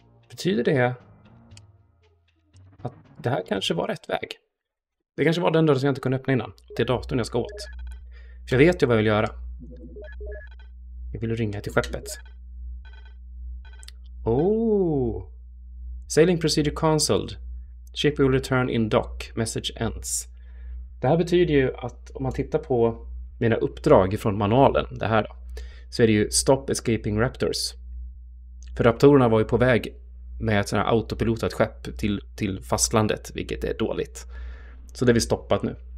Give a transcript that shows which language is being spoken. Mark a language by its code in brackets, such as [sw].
[sv] Betyder det att det här kanske var rätt väg? Det kanske var den dörren som jag inte kunde öppna innan. Det är datorn jag ska åt. För jag vet ju vad jag vill göra. Jag vill ringa till skeppet. Oh! [en] Sailing procedure cancelled. Ship will return in dock. Message ends. [sv] Det här betyder ju att om man tittar på mina uppdrag från manualen, det här då, så är det ju [en] stop escaping raptors. [sv] För raptorerna var ju på väg med ett sådant här autopilotat skepp till fastlandet, vilket är dåligt. Så det är vi stoppat nu.